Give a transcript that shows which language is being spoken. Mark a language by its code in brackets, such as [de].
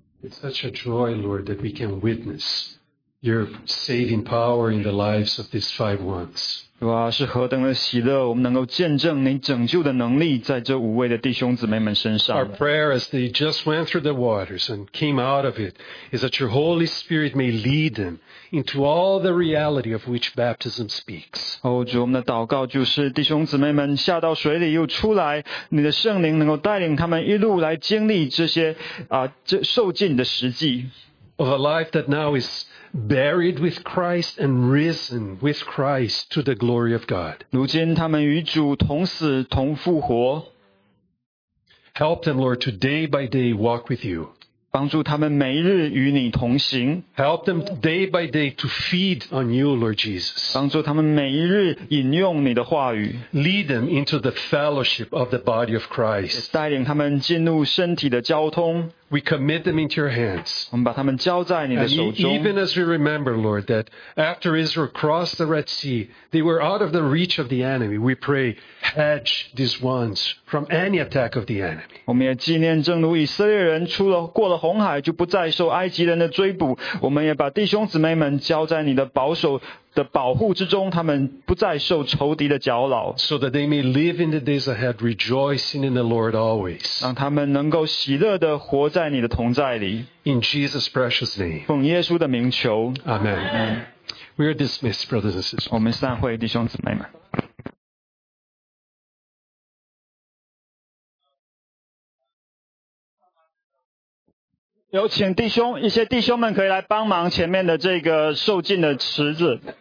[en] Such a joy, Lord, that we can witness your saving power in the lives of these five ones. [zh] 哇，是何等的喜乐，我们能够见证你拯救的能力在这五位的弟兄姊妹们身上。 [en] Our prayer as they just went through the waters and came out of it is that your Holy Spirit may lead them into all the reality of which baptism speaks. [zh] 哦，主，我们的祷告就是弟兄姊妹们下到水里又出来，你的圣灵能够带领他们一路来经历这些这受浸的实际。 [en] Of a life that now is buried with Christ and risen with Christ to the glory of God. [zh] 如今他们与主同死同复活。 [en] Help them, Lord, to day by day walk with you. [zh] 帮助他们每日与你同行。 [en] Help them day by day to feed on you, Lord Jesus. [zh] 帮助他们每日饮用你的话语。 [en] Lead them into the fellowship of the body of Christ. [zh] 带领他们进入身体的交通。 [en] We commit them into your hands. And even as we remember, Lord, that after Israel crossed the Red Sea, they were out of the reach of the enemy. We pray, hedge these ones from any attack of the enemy. [zh] 我们也纪念正如以色列人出了过了红海就不再受埃及人的追捕我们也把弟兄姊妹们交在你的保守的保护之中他们不再受仇敌的搅扰 [en] So that they may live in the days ahead, rejoicing in the Lord always. [zh] 让他们能够喜乐地活在你的同在里 [en] In Jesus' precious name. [zh] 奉耶稣的名求 [en] Amen. Amen. We are dismissed, brothers and sisters. [zh] 我们散会弟兄姊妹们 有请弟兄们可以来帮忙前面的这个受浸的池子。